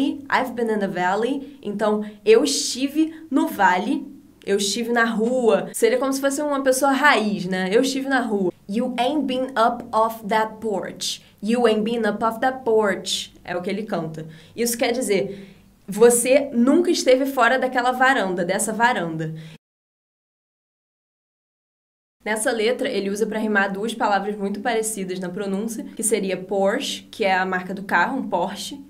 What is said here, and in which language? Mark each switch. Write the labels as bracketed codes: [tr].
[en] I've been in the valley. [pt] Então, eu estive no vale. Eu estive na rua. Seria como se fosse uma pessoa raiz, né? Eu estive na rua. [en] You ain't been up off that porch. You ain't been up off that porch. [pt] É o que ele canta. Isso quer dizer, você nunca esteve fora daquela varanda, dessa varanda. Nessa letra, ele usa para rimar duas palavras muito parecidas na pronúncia, que seria Porsche, que é a marca do carro, um Porsche.